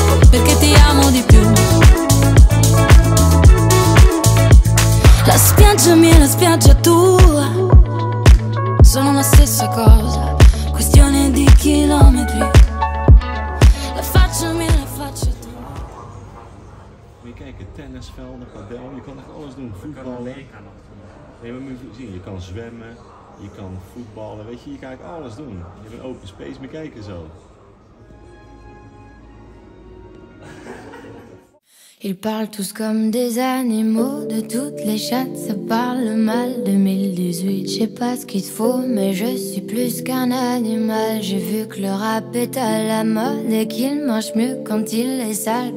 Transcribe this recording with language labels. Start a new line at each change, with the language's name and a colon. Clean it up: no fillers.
Italian: Perché ti amo di più. La spiaggia mia e la spiaggia tua sono la stessa cosa. Questione di chilometri. La faccio mia, la faccio tua.
Dutch: Moet je kijken, tennisvelden, padel, je kan echt alles doen. Voetballen. Nee, maar moet je zien, je kan zwemmen, je kan voetballen, weet je, je kan eigenlijk alles doen. Je hebt een open space, moet je kijken zo.
French: Ils parlent tous comme des animaux de toutes les chattes, ça parle mal. 2018, je sais pas ce qu'il te faut, mais je suis plus qu'un animal. J'ai vu que le rap est à la mode et qu'il mange mieux quand il est sale.